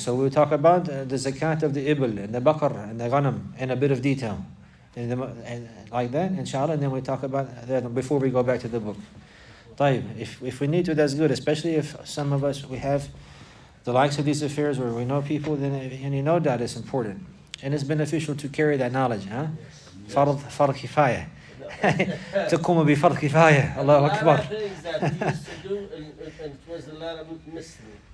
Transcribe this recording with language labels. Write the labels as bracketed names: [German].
[English] So we'll talk about the zakat of the ibl and the bakr and the ghanam in a bit of detail, and like that, inshallah. And then we'll talk about that before we go back to the book. Taib, if we need to, that's good. Especially if some of us, we have the likes of these affairs where we know people, then no doubt it's important. And it's beneficial to carry that knowledge, huh? Yes. [Arabic] Fard kifayah. تقوم بفرض كفاية الله أكبر. [English] A lot of things that we used to do and it was a lot of Muslim.